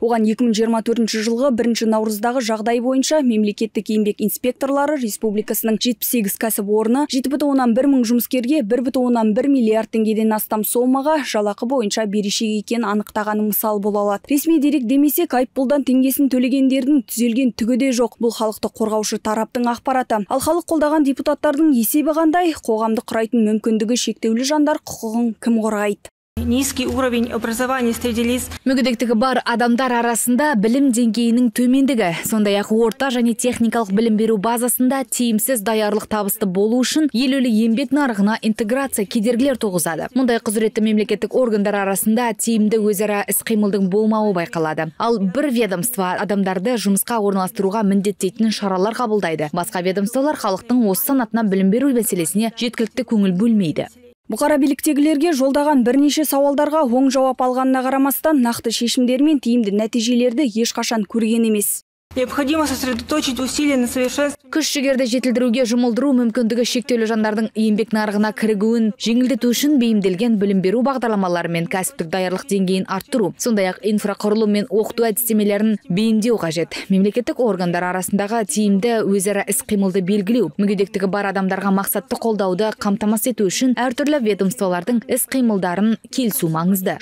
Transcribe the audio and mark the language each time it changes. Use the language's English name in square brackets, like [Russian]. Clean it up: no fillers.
[Kazakh] Оған 2024 жылғы 1 наурыздағы жағдай бойынша мемлекеттік еңбек инспекторлары республикасының 78 кәсіпорны 7.1 мың жұмыскерге 1.1 миллиард теңгеден астам сомаға жалақы бойынша берешек екен анықтағаны мысал бола алады. Ресми дерек демесек, айыппұлдан теңгесін төлегендердің түзелген түгі де жоқ. Бұл халықты қорғаушы тараптың ақпараты. Ал халық қолдаған депутаттардың есебі қоғамды құрайтын мүмкіндігі шектеулі жандар құқығын кім қорғайды? [Russian] Низкий уровень образования среди лиц. [Kazakh] Мүгедектігі бар адамдар арасында білім деңгейінің төмендігі. Сондай-ақ орта және техникалық білім беру базасында тиімсіз даярлық табысты болу үшін елеулі еңбек нарығына интеграция кедергілер туғызады. Мұндай құзыретті мемлекеттік органдар арасында тиімді өзара іс-қимылдың болмауы байқалады. Ал бір ведомство адамдарды жұмысқа орналастыруға міндеттейтін шаралар қабылдайды. Басқа ведомстволар халықтың осы санатына білім беру мәселесіне жеткілікті көңіл бөлмейді. Бұқара биліктегілерге жолдаған бірнеше сауалдарға оң жауап алғанына қарамастан, нақты шешімдер мен тиімді нәтижелерді ешқашан көрген емес. [Russian] Необходимо сосредоточить усилия на совершенствовании. [Kazakh] Күш жігерді жетілдіруге жұмылдыру мүмкіндігі шектеулі жандардың еңбек нарығына кірігуін жеңілдету үшін бейімделген білім беру бағдарламалары мен кәсіптік даярлық деңгейін арттыру, сондай-ақ инфрақұрылым мен оқыту әдістемелерін бейімдеу қажет. Мемлекеттік органдар арасындағы тиімді өзара іс-қимылды белгілеу, мүгедектігі бар адамдарға мақсатты қолдауды қамтамасыз ету үшін әртүрлі ведомстволардың іс-қимылдарын келісу маңызды.